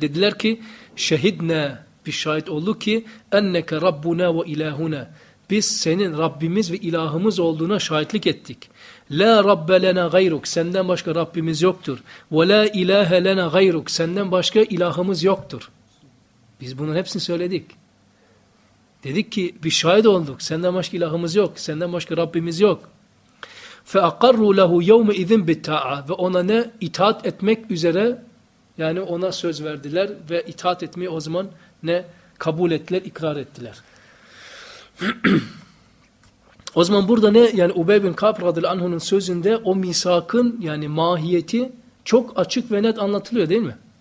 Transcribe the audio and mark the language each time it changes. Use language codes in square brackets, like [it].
[tr] Dediler ki, [ar] شَهِدْنَا, [tr] biz şahit olduk ki, [ar] اَنَّكَ رَبُّنَا وَاِلَاهُنَا, [tr] biz senin Rabbimiz ve ilahımız olduğuna şahitlik ettik. [ar] لَا رَبَّ لَنَا غَيْرُكَ, [tr] senden başka Rabbimiz yoktur. [ar] وَلَا اِلَاهَ لَنَا غَيْرُكَ, [tr] senden başka ilahımız yoktur. Biz bunun hepsini söyledik. Dedik ki, biz şahit olduk. Senden başka ilahımız yok. Senden başka Rabbimiz yok. [ar] فَاَقَرُّ لَهُ يَوْمَ اِذِنْ بِالتَّاعَ, [tr] ve ona ne? İtaat etmek üzere, yani ona söz verdiler ve itaat etmeyi o zaman ne? Kabul ettiler, ikrar ettiler. O zaman burada ne? Yani Ubey bin Ka'b radıyallahu anh'ın sözünde o misakın yani mahiyeti çok açık ve net anlatılıyor değil mi?